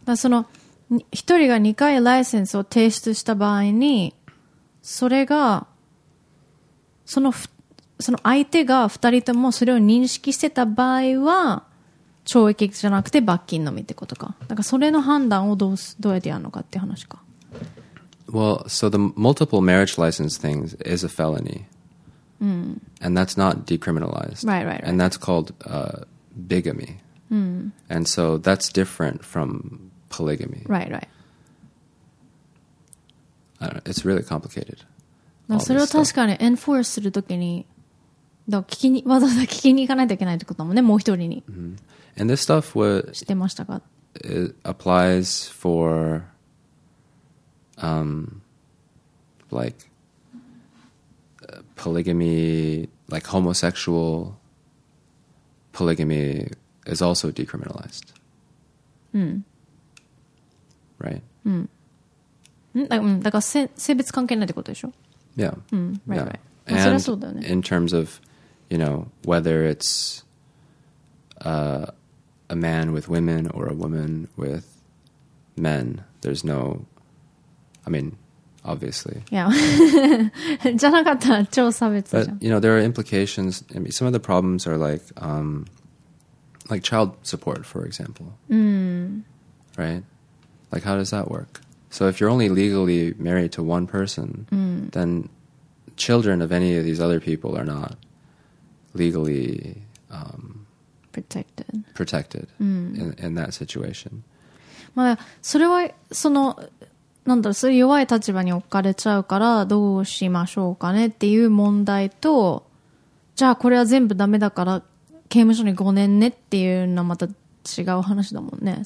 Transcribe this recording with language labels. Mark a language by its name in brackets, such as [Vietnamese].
[Japanese] だその一人が2回ライセンスを提出した場合にそれがその相手が2人ともそれを認識してた場合は懲役じゃなくて罰金のみってことか。だからそれの判断をどうやってやるのかって話か。 [English] Well, so the multiple marriage license thing is a felony. And that's not decriminalized. Right, right, right. And that's called bigamy. And so that's different from polygamy. Right, right. It's really complicated. [Japanese] それを確かにエンフォースするときに、聞きに、わざわざ聞きに行かないといけないってこともね、もう一人に。 [English] And this stuff was... [Japanese] 知ってましたか? [English] It applies for... like polygamy, like homosexual polygamy is also decriminalized. Right. [Japanese] だから性別関係ないってことでしょ? [English] Yeah. Right. And in terms of, you know, whether it's a man with women or a woman with men, there's no. I mean, obviously. Yeah. But, you know, there are implications. I mean, some of the problems are like child support, for example. Right? Like, how does that work? So if you're only legally married to one person, then children of any of these other people are not legally protected in that situation. [Japanese] まあ、それはそのなんだろう、そういう弱い立場に置かれちゃうからどうしましょうかねっていう問題と、じゃあこれは全部ダメだから刑務所に5年ねっていうのはまた違う話だもんね。